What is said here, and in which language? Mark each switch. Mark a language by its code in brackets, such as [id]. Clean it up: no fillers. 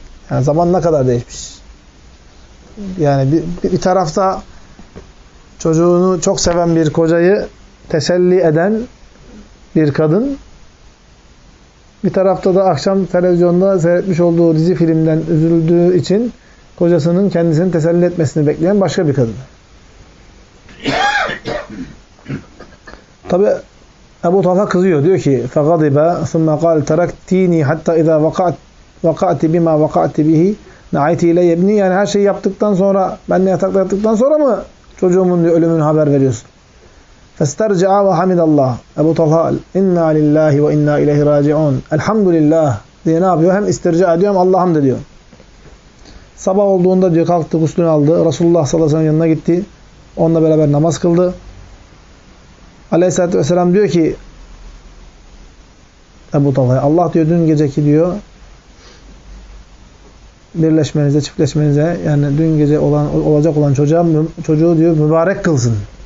[tr] Yani zaman ne kadar değişmiş. Yani bir tarafta çocuğunu çok seven bir kocayı teselli eden bir kadın, bir tarafta da akşam televizyonda seyretmiş olduğu dizi filmden üzüldüğü için kocasının kendisini teselli etmesini bekleyen başka bir kadın. Tabi Ebu Talha kızıyor, diyor ki [ar] فَغَضِبَا ثُمَّ قَالْ تَرَكْتِينِي حَتَّى اِذَا وَقَعْتِ بِمَا وَقَعْتِ بِهِ نَعَيْتِ اِلَيَّ بْنِي. [tr] Yani her şeyi yaptıktan sonra, benle yatakta yattıktan sonra mı çocuğumun diyor, ölümünü haber veriyorsun? [ar] فَاسْتَرْجَعَا وَحَمِدَ اللّٰهِ Ebu Talha, اِنَّا لِلّٰهِ وَاِنَّا اِلَيْهِ رَاجِعُونَ Elhamdülillah [tr] diye ne yapıyor? Hem istirca ediyor hem Allah'ım da diyor. Sabah olduğunda diyor kalktı, guslünü aldı. Resulullah sallallahu aleyhi ve sellem yanına gitti. Onunla beraber namaz kıldı. Aleyhisselatü vesselam diyor ki Ebu Talha, Allah diyor dün geceki diyor birleşmenize, çiftleşmenize, yani dün gece olan olacak olan çocuğu diyor mübarek kılsın.